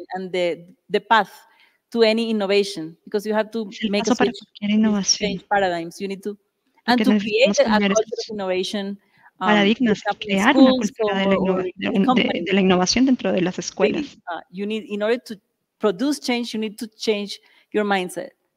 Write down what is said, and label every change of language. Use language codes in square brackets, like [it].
[en] And the path to any innovation, because you have to make a change paradigms. You need to and to create a culture of innovation. [es] Paradigmas, crear una cultura de la innovación dentro de las escuelas. [en] You need, in order to produce change, you need to change your mindset.